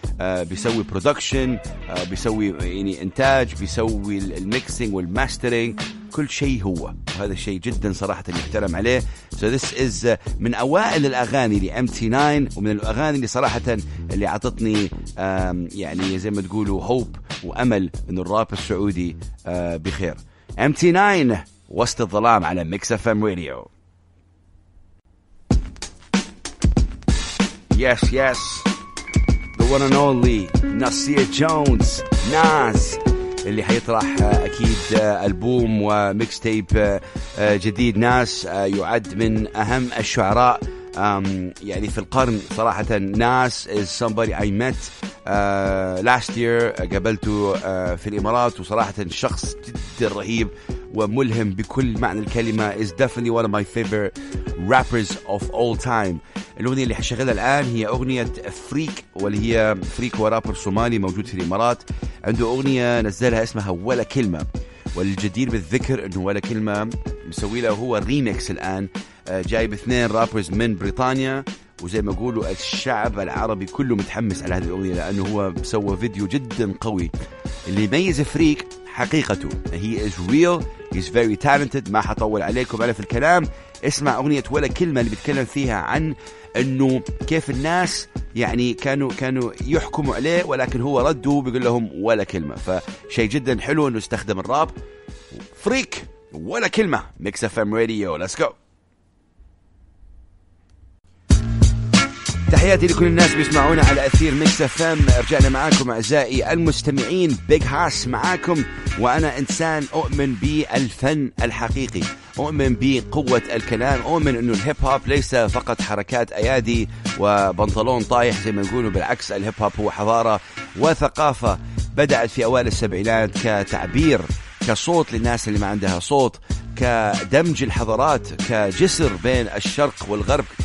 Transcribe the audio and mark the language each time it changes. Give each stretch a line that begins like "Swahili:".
Arabic: بيسوي production، بيسوي يعني إنتاج، بيسوي الميكسينج والماسترينج، كل شيء هو، وهذا شيء جدا صراحة يحترم عليه.
English: So this is
Arabic: من أوائل الأغاني لMT9، ومن الأغاني اللي صراحة اللي عطتني يعني زي ما تقولوا هوب وأمل إنه الراب السعودي بخير. MT9 وسط الظلام على Mix FM Radio.
English: Yes, yes. The one and only Nasir Jones, Nas.
Arabic: اللي حيطرح أكيد ألبوم وميكس تيب جديد. ناس يعد من أهم الشعراء يعني في القرن صراحة. ناس
English: is somebody I met last year,
Arabic: قابلته في الإمارات, وصراحة شخص جدا رهيب وملهم بكل معنى الكلمة.
English: is definitely one of my favorite rappers of all time.
Arabic: الأغنية اللي حشغلها الآن هي أغنية فريك, واللي هي فريك ورابر صومالي موجود في الإمارات. عنده أغنية نزلها اسمها ولا كلمة, والجدير بالذكر أنه ولا كلمة مسوي له هو ريميكس الآن, جايب اثنين رابرز من بريطانيا, وزي ما قولوا الشعب العربي كله متحمس على هذه الأغنية لأنه هو سوى فيديو جدا قوي. اللي يميز فريك حقيقته,
English: he is real, he's very talented.
Arabic: ما حطول عليكم على في الكلام, اسمع أغنية ولا كلمة اللي بتكلم فيها عن أنه كيف الناس يعني كانوا يحكموا عليه, ولكن هو ردوا بيقول لهم ولا كلمة. فشي جدا حلو أنه استخدم الراب. فريك ولا كلمة, Mix FM Radio,
English: let's go.
Arabic: تحياتي لكل الناس بيسمعونا على أثير ميكس FM. رجعنا معاكم أعزائي المستمعين, بيج هاس معاكم. وأنا إنسان أؤمن بالفن الحقيقي, أؤمن بقوة الكلام, أؤمن أنه الهيب هوب ليس فقط حركات أيادي وبنطلون طايح زي ما نقوله, بالعكس الهيب هوب هو حضارة وثقافة بدأت في أوائل السبعينات كتعبير, كصوت للناس اللي ما عندها صوت, كدمج الحضارات, كجسر بين الشرق والغرب.